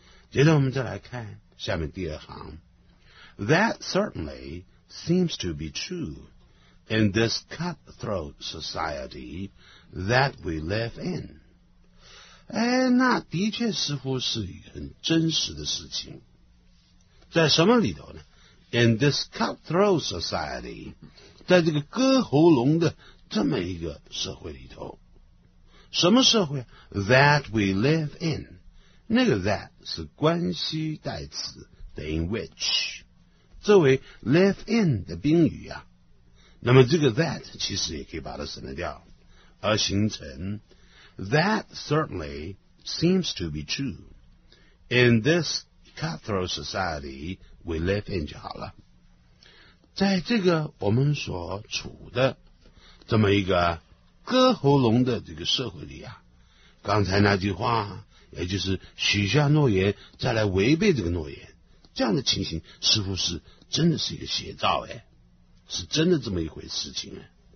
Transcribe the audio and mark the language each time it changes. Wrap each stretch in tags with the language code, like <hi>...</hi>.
<zh>接着我们再来看下面第二行。</zh> <en>That certainly seems to be true in this cutthroat society that we live in.</en> <zh>哎，那的确似乎是很真实的事情。在什么里头呢 ？ In this cutthroat society，在这个割喉咙的这么一个社会里头，什么社会 ？ That we live in，那个 that 是关系代词，等于 which， 作为 live in 的宾语啊。那么这个 that 其实也可以把它省掉，而形成。</zh> <en>That certainly seems to be true in this cutthroat society we live in 就好了。</en> <zh>在这个我们所处的这么一个割喉咙的这个社会里啊，刚才那句话，也就是许下诺言再来违背这个诺言，这样的情形似乎是真的是一个写照，哎，是真的这么一回事情啊。</zh>